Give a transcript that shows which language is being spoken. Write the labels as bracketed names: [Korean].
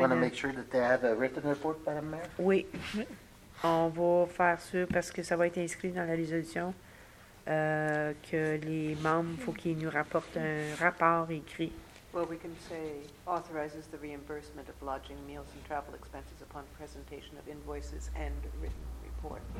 [English] want to make sure that they have a written report, Madame Mayor? [French] Oui. On va faire sûr, parce que ça va être inscrit dans la résolution, que les membres, il faut qu'ils nous rapportent un rapport écrit. [English] Well, we can say, authorizes the reimbursement of lodging, meals, and travel expenses upon presentation of invoices and written report.